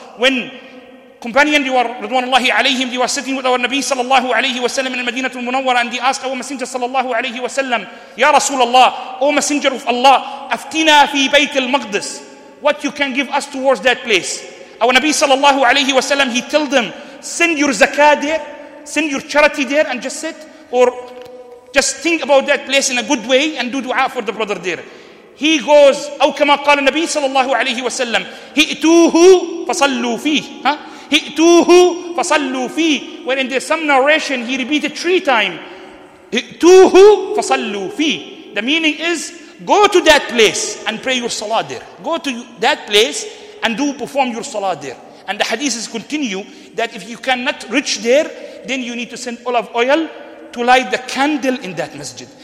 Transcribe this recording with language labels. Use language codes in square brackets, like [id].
[en] When companion, they were sitting with our Nabi sallallahu alayhi wa sallam in Madinah al-Munawwara, and they asked our Messenger sallallahu alayhi wa sallam, Ya Rasulallah, O Messenger of Allah, [ar] aftina fi bayt al-Maqdis, [en] what you can give us towards that place. Our Nabi sallallahu alayhi wa sallam, he told them, send your zakah there, send your charity there and just sit, or just think about that place in a good way and do dua for the brother there. He goes, [ar] أو كما قال النبي صلى الله عليه وسلم, ائتوه فصلوا فيه. ائتوه فصلوا فيه. [en] When in there's some narration, he repeated 3 times. [ar] ائتوه فصلوا فيه. [en] The meaning is, go to that place and pray your salah there. Go to that place and do perform your salah there. And the hadiths continue that if you cannot reach there, then you need to send olive oil to light the candle in that masjid.